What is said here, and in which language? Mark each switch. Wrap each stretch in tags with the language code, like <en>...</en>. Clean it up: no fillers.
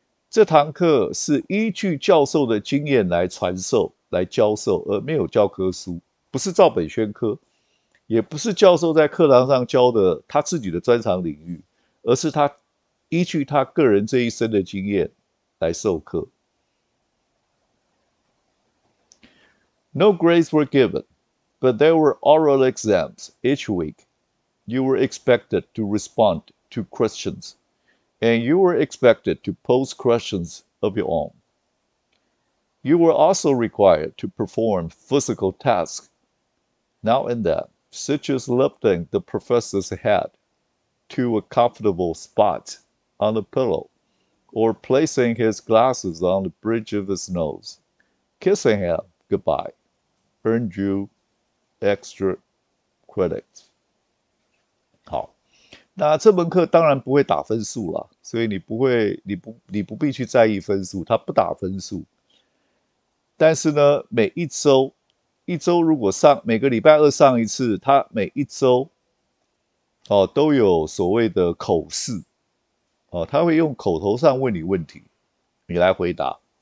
<zh>这堂课是依据教授的经验来传授、来教授，而没有教科书，不是照本宣科，也不是教授在课堂上教的他自己的专长领域，而是他依据他个人这一生的经验来授课。</zh> <en>No grades were given, but there were oral exams each week. You were expected to respond to questions, and you were expected to pose questions of your own. You were also required to perform physical tasks now and then, such as lifting the professor's head to a comfortable spot on the pillow, or placing his glasses on the bridge of his nose, kissing him goodbye. Earned you extra credits。</en> <zh>好，那这门课当然不会打分数了，所以你不必去在意分数，它不打分数。但是呢，每一周，一周如果上，每个礼拜二上一次，它每一周，哦，都有所谓的口试，哦，他会用口头上问你问题，你来回答。</zh>